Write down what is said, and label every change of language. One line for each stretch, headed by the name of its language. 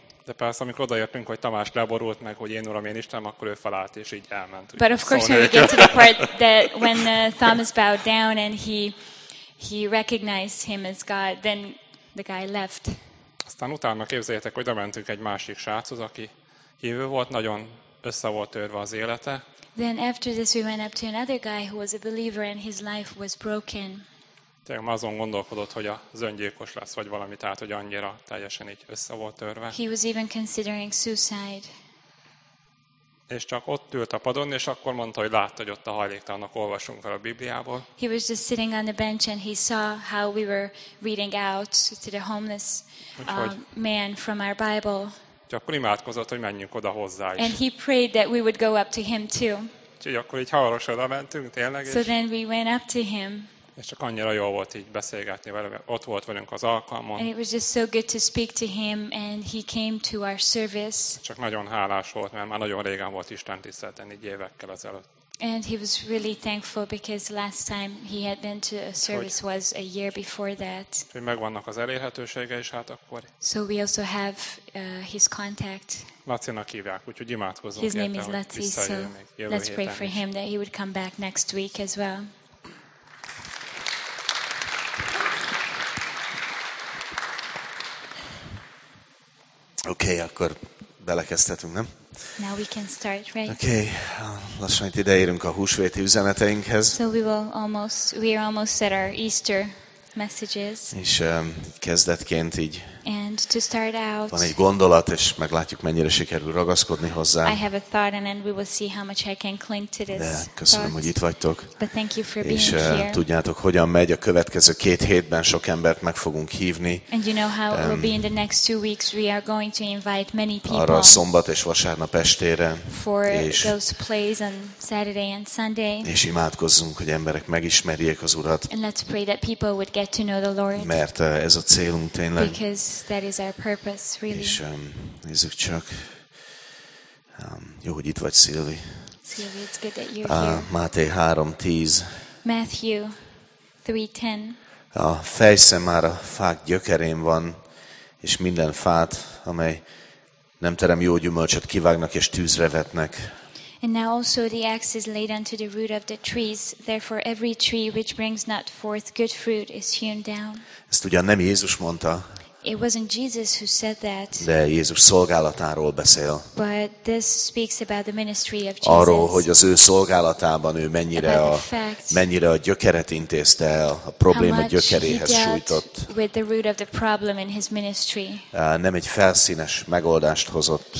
Hungarian: De persze, amikor odaértünk, hogy Tamás leborult meg, hogy én Uram, én Istenem, akkor ő felállt és így elment.
English: But of course when we get to the part that when Thomas bowed down and he recognized him as God, then the guy left.
Hungarian: Aztán utána képzeljétek, hogy odamentünk egy másik sráchoz, aki hívő volt, nagyon össze volt törve az élete.
English: Then after this we went up to another guy who was a believer and his life was broken.
Hungarian: Tényleg már azon gondolkodott, hogy az öngyilkos lesz, vagy valami, tehát, hogy annyira teljesen így össze volt törve.
English: He was even considering suicide.
Hungarian: És csak ott ült a padon, és akkor mondta, hogy látta, hogy ott a hajléktalanok olvasunk fel a Bibliából.
English: He was just sitting on the bench and he saw how we were reading out to the homeless man from our Bible.
Hungarian: Úgyhogy akkor imádkozott, hogy menjünk oda hozzá is.
English: And he prayed that we would go up to him too.
Hungarian: Úgyhogy akkor így hamarosan oda mentünk, tényleg.
English: So then we went up to him.
Hungarian: És csak annyira jó volt így beszélgetni vele, ott volt velünk az alkalmon.
English: And it was just so good to speak to him and he came to our service.
Hungarian: Csak nagyon hálás volt, mert már nagyon régen volt Isten tiszteleten, így évekkel ezelőtt.
English: And he was really thankful because last time he had been to a service was a year before that.
Hungarian: Hogy megvannak az elérhetősége is hát akkor.
English: So we also have his contact.
Hungarian: Lacinak hívják, úgyhogy imádkozunk.
English: His name is Laci, so let's pray for him that he would come back next week as well.
Hungarian: Okay, akkor belekezdhetünk, nem?
English: Now we can start, right?
Hungarian: Okay, lassan itt ideérünk a húsvéti üzeneteinkhez.
English: So we are almost at our Easter messages.
Hungarian: És kezdetként így.
English: And to start out.
Hungarian: Van egy gondolat, és meglátjuk, mennyire sikerül ragaszkodni hozzá.
English: I have a thought, and then we will see how much I can cling to this.
Hungarian: De köszönöm,
English: thought.
Hungarian: Hogy itt vagytok.
English: But thank you for being
Hungarian: és,
English: here.
Hungarian: És tudjátok, hogyan megy a következő két hétben sok embert meg fogunk hívni.
English: And you know how it will be in the next two weeks. We are going to invite many people.
Hungarian: Arra a szombat és vasárnap estére.
English: For those plays on Saturday and Sunday.
Hungarian: És imádkozzunk, hogy emberek megismerjék az Urat.
English: And let's pray that people would get to know the Lord.
Hungarian: Mert ez a célunk tényleg.
English: Because that is our purpose, really.
Hungarian: És nézzük csak. Jó, hogy itt vagy, Szilvi.
English: Szilvi, it's good that you're here.
Hungarian: Máté 3:10.
English: Matthew 3:10.
Hungarian: A fejsze már a fák gyökerén van, és minden fát, amely nem terem jó gyümölcsöt, kivágnak és tűzre vetnek.
English: And now also the axe is laid unto the root of the trees, therefore every tree which brings not forth good fruit is hewn down.
Hungarian: Ezt ugyan nem Jézus mondta.
English: It wasn't Jesus who said that.
Hungarian: De Jézus szolgálatáról beszél.
English: But this speaks about the ministry of Jesus.
Hungarian: Arról, hogy az ő szolgálatában ő mennyire a gyökeret intézte el, a probléma gyökeréhez sújtott.
English: With the root of the problem in his ministry.
Hungarian: Nem egy felszínes megoldást hozott.